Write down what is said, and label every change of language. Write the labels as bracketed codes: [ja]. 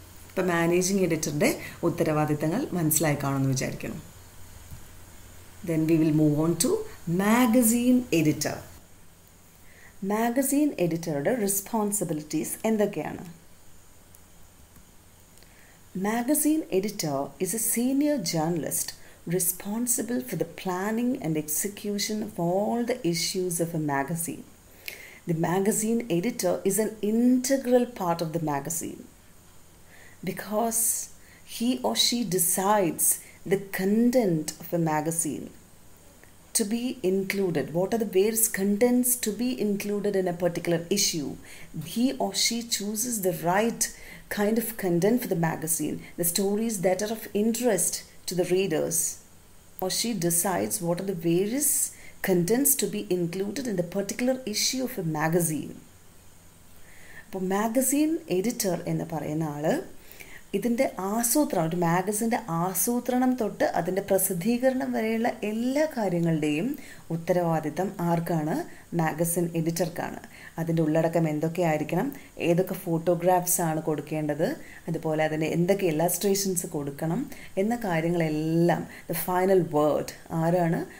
[ml] ഇപ്പം മാനേജിങ് എഡിറ്ററിൻ്റെ ഉത്തരവാദിത്തങ്ങൾ മനസ്സിലായി കാണുമെന്ന് വിചാരിക്കണം. [en] Then we will move on to magazine editor. [ml] Magazine എഡിറ്ററുടെ responsibilities എന്തൊക്കെയാണ്? [en] Magazine editor is a senior journalist responsible for the planning and execution of all the issues of a magazine. The magazine editor is an integral part of the magazine because he or she decides the content of a magazine to be included. What are the various contents to be included in a particular issue? He or she chooses the right kind of content for the magazine, the stories that are of interest to the readers. Or she decides what are the various contents to be included in the particular issue of a magazine. But [ml] magazine editor enna parayanaalu ഇതിൻ്റെ ആസൂത്രണം, ഒരു മാഗസിൻ്റെ ആസൂത്രണം തൊട്ട് അതിൻ്റെ പ്രസിദ്ധീകരണം വരെയുള്ള എല്ലാ കാര്യങ്ങളുടെയും ഉത്തരവാദിത്തം ആർക്കാണ്? മാഗസിൻ എഡിറ്റർക്കാണ്. അതിൻ്റെ ഉള്ളടക്കം എന്തൊക്കെയായിരിക്കണം, ഏതൊക്കെ ഫോട്ടോഗ്രാഫ്സാണ് കൊടുക്കേണ്ടത്, അതുപോലെ അതിന് എന്തൊക്കെ ഇല്ലസ്ട്രേഷൻസ് കൊടുക്കണം എന്ന കാര്യങ്ങളെല്ലാം, ദ ഫൈനൽ വേർഡ് ആരാണ്?